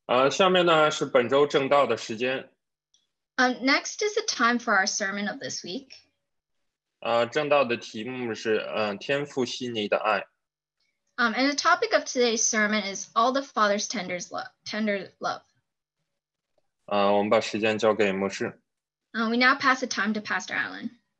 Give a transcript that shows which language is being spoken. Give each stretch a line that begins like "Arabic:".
Chinese: 下面呢是本周正道的时间。
English: Next is the time for our sermon of this week.
Chinese: 正道的题目是天父细腻的爱。
English: And the topic of today's sermon is All the Father's Tender Love.
Chinese: 我们把时间交给牧师。
English: We now pass the time to Pastor Allen.